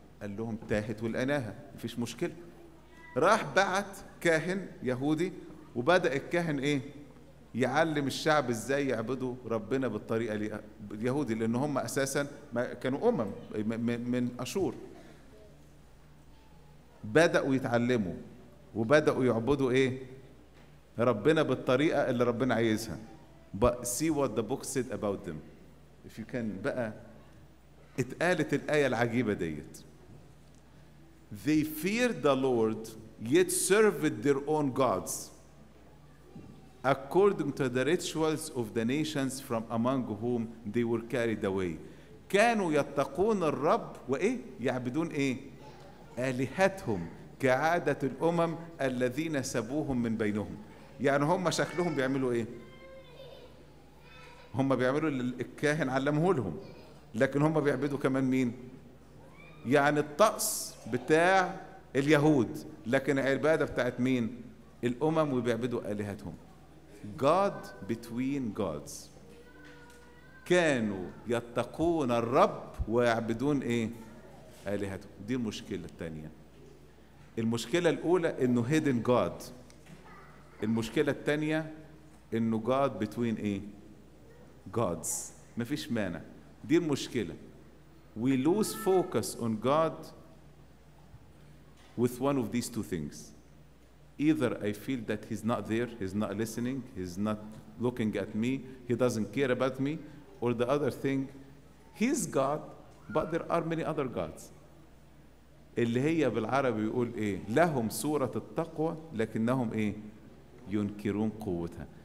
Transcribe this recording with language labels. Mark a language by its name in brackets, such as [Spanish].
[Arabic] قال لهم تاهت والأناهة, مفيش مشكلة. راح بعت كاهن يهودي وبدأ الكاهن إيه يعلم الشعب إزاي يعبدوا ربنا بالطريقة اليهودي, لأن هم أساساً كانوا أمم من أشور. بدأوا يتعلموا وبدأوا يعبدوا إيه ربنا بالطريقة اللي ربنا عايزها. [English] But see what the book said about them. If you can [Arabic] بقى اتقالت الآية العجيبة ديت. [English] They feared the Lord yet served their own gods according to the rituals of the nations from among whom they were carried away. [Arabic] كانوا يتقون الرب وإيه؟ يعبدون إيه؟ آلهتهم كعادة الأمم الذين سبوهم من بينهم. يعني هم شكلهم بيعملوا إيه؟ هم بيعملوا اللي الكاهن علمه لهم، لكن هم بيعبدوا كمان مين؟ يعني الطقس بتاع اليهود، لكن عبادة بتاعت مين؟ الأمم، وبيعبدوا آلهتهم. [English] God between gods. [Arabic] كانوا يتقون الرب ويعبدون إيه؟ آلهتهم. دي المشكلة الثانية. المشكلة الأولى إنه [English] hidden God. [Arabic] المشكلة الثانية إنه [English] God between [Arabic] إيه؟ [English] gods. [Arabic] مفيش مانع. دي المشكلة. [English] We lose focus on God with one of these two things. Either I feel that he's not there, he's not listening, he's not looking at me, he doesn't care about me, or the other thing, he's God, but there are many other gods. [Arabic] اللي هي بالعربي يقول ايه؟ لهم سورة التقوى لكنهم ايه؟ ينكرون قوتها.